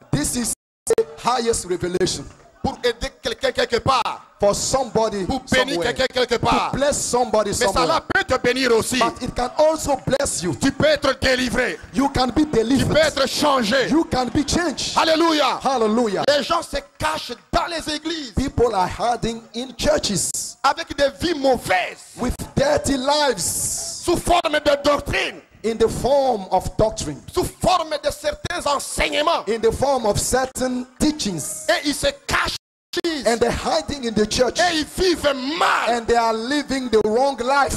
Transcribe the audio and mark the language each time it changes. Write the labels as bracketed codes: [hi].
[en] This is the highest revelation. [fr] Pour aider quelqu'un quelque part. [en] for somebody [fr] pour bénir quelqu'un quelque part. [en] To bless somebody [fr] mais [en] somewhere. [fr] Ça peut te bénir aussi. [en] But it can also bless you. [fr] Tu peux être délivré. [en] You can be delivered. [fr] Tu peux être changé. [en] You can be changed. Hallelujah. Hallelujah. [fr] Les gens se cachent dans les églises. [en] People are hiding in churches. [fr] Avec des vies mauvaises. [en] With dirty lives. [fr] Sous forme de doctrine. [en] In the form of doctrine. [fr] Sous forme de certains enseignements. [en] In the form of certain teachings. [fr] Et ils se cachent. [en] And they're hiding in the church. [fr] Et ils vivent mal. [en] And they are living the wrong life.